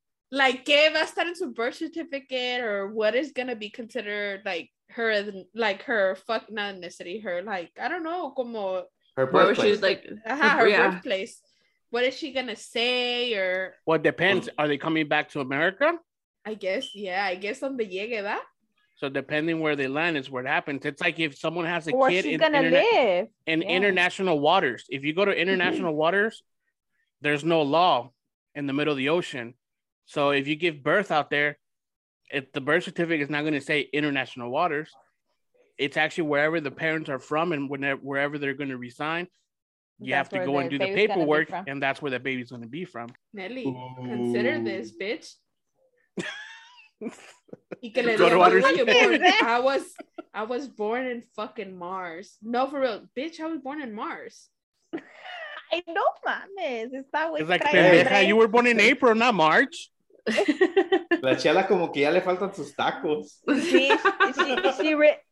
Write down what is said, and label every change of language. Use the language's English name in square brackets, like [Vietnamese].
[Spanish] ¿qué va a estar en su [English] birth certificate? Or what is going to be considered, her fuck, not ethnicity, her, like, I don't know, como... Her birthplace. She's like, her birthplace. What is she going to say, or... Well, it depends. Are they coming back to America? I guess, yeah. I guess on the llegue, ¿verdad? So depending where they land is where it happens. It's like if someone has a kid international waters. If you go to international waters, there's no law in the middle of the ocean. So if you give birth out there, the birth certificate is not going to say international waters. It's actually wherever the parents are from and wherever they're going to resign. You have to go and do the paperwork, and that's where the baby's going to be from. Nelly, consider this, bitch. I was born in fucking Mars. No, for real, bitch, I was born in Mars. I know, mames. It's like, you were born in April, not March. [Spanish] La chela como que ya le faltan sus tacos.